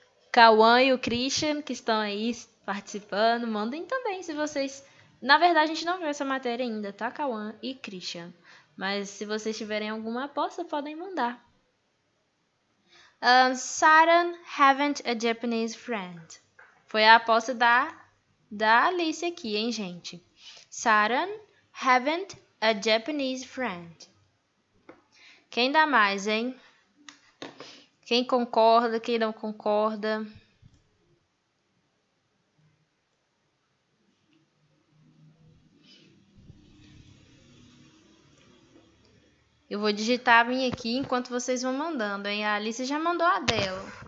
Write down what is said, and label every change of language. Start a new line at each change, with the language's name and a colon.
Portuguese: Cauã e o Christian, que estão aí participando, mandem também se vocês... Na verdade, a gente não viu essa matéria ainda, tá? Cauã e Christian. Mas se vocês tiverem alguma aposta, podem mandar.
English: Saran haven't a Japanese friend.
Portuguese: Foi a aposta da Alice aqui, hein, gente?
English: Saran haven't a Japanese friend.
Portuguese: Quem dá mais, hein? Quem concorda, quem não concorda? Eu vou digitar a minha aqui enquanto vocês vão mandando, hein? A Alice já mandou a dela.